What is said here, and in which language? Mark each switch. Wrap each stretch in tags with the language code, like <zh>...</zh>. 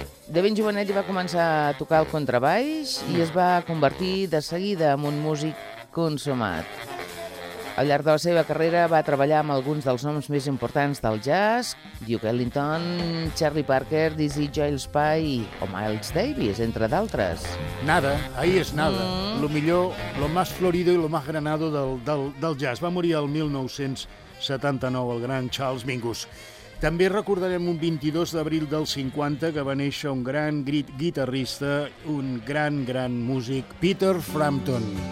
<ca>Mm. De ben jovenet va començar a tocar el contrabaix i es va convertir de seguida en un músic consumat. Al llarg de la seva carrera va treballar amb alguns dels noms més importants del jazz, Duke Ellington, Charlie Parker, Dizzy Gillespie Spy o Miles Davis, entre d'altres.</ca> <es>Nada, ahí es nada. Lo millor, lo más florido y lo más granado del jazz.</es> <ca>Va morir el 1979 el gran Charles Mingus. També recordarem un 22 d'abril del 50 que va néixer un gran guitarrista, un gran músic, Peter Frampton.</ca>